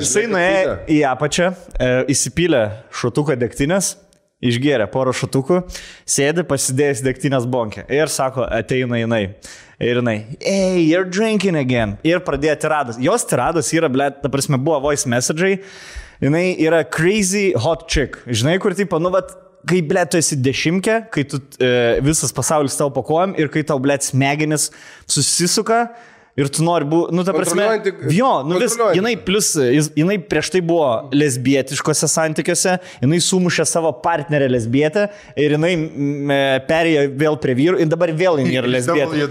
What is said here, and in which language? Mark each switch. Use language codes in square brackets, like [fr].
[lt] Jisai nuėjo į apačią, įsipylė šotuką degtinės, išgėrė porą šotukų, sėdi pasidėjęs degtinės bonkę ir sako, ateina jinai. Ir jinai, [en] hey, you're drinking again. [lt] Ir pradėjo tiradas. Jos tiradas yra, blėt, ta prasme, buvo voice message'ai. Jinai yra [en] crazy hot chick. [lt] Žinai, kur taip, nu, vat, kai, blėt, tu esi dešimkė, kai tu visas pasaulis tau pakuojam ir kai tau, blėt, smegenis susisuka ir tu nori būti, nu, ta prasme, jo, nu, vis, jinai plus, jinai prieš tai buvo lesbietiškose santykiuose, jinai sumušė savo partnerę lesbietę ir jinai perėjo vėl prie vyrų ir dabar vėl jinai yra lesbietė.